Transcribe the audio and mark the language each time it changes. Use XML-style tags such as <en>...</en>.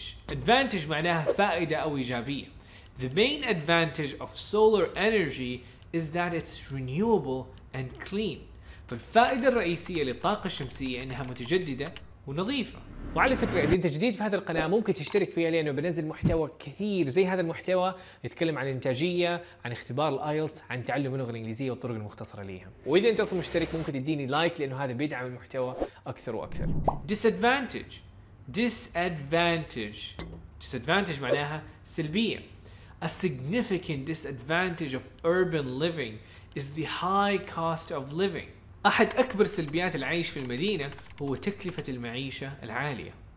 <ar>Advantage معناها فائدة أو إيجابية.</ar> <en>The main advantage of solar energy is that it's renewable and clean.</en> <ar>فالفائدة الرئيسية للطاقة الشمسية أنها متجددة ونظيفة. وعلى فكرة إذا أنت جديد في هذه القناة ممكن تشترك فيها، لأنه بنزل محتوى كثير زي هذا المحتوى يتكلم عن إنتاجية، عن اختبار الآيلتس، عن تعلم اللغة الإنجليزية والطرق المختصرة ليها. وإذا أنت أصلا مشترك ممكن تديني لايك لأنه هذا بيدعم المحتوى أكثر وأكثر. Disadvantage معناها سلبية.</ar> <en>A significant disadvantage of urban living is the high cost of living.</en> <ar>أحد أكبر سلبيات العيش في المدينة هو تكلفة المعيشة العالية.</ar>